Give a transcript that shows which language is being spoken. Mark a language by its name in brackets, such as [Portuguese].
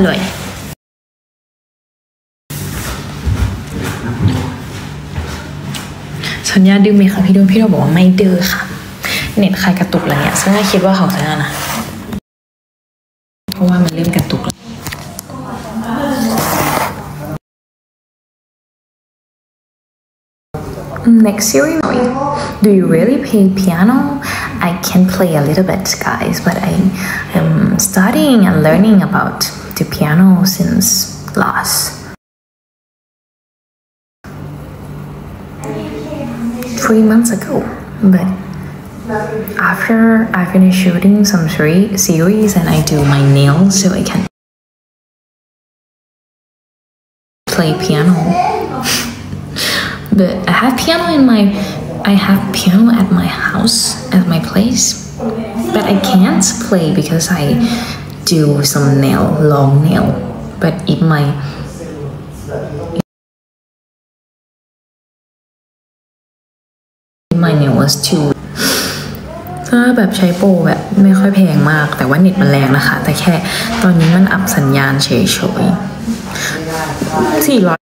[Thai] ร่อยสัญญาดื้อไหมคะพี่ดูพี่เราบอกว่าไม่ดื้อค่ะเน็ตใครกระตุกแล้วเนี่ยสัญญาคิดว่าเขาสัญญานะเพราะว่ามันเริ่มกระตุก [English] Next series, do you really play piano? I can play a little bit, guys, but I am studying and learning about the piano since last. Three months ago, but after I finish shooting some series and I do my nails so I can play piano. But I have piano at my house, at my place. But I can't play because I do some nail, long nail. But if my nail was too [Thai] ถ้าแบบใช้โปรแบบไม่ค่อยแพงมากแต่ว่าเน็ตมันแรงนะคะแต่แค่ตอนนี้มันอับสัญญาณเฉยๆ